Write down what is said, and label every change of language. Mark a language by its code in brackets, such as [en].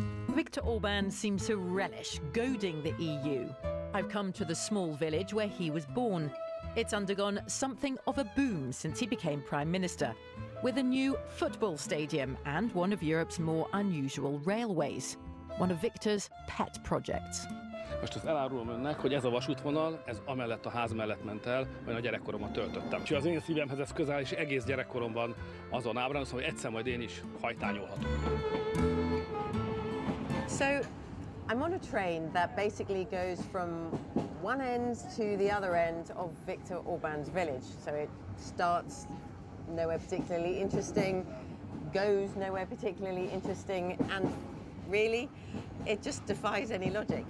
[en] Viktor Orban seems to relish goading the EU. I've come to the small village where he was born. It's undergone something of a boom since he became prime minister, with a new football stadium and one of Europe's more unusual railways, one of Viktor's pet projects. [hu] Most az elárulom önnek, hogy ez a vasútvonal, ez amellett a ház mellett ment el, mert a gyerekkoromat töltöttem. Úgyhogy az én szívemhez ez közel, és egész gyerekkoromban azon ábrándoztam, hogy egyszer majd én is hajtányolhatok. [en] So, I'm on a train that basically goes from one end to the other end of Viktor Orban's village. So it starts nowhere particularly interesting, goes nowhere particularly interesting, and really, it just defies any logic.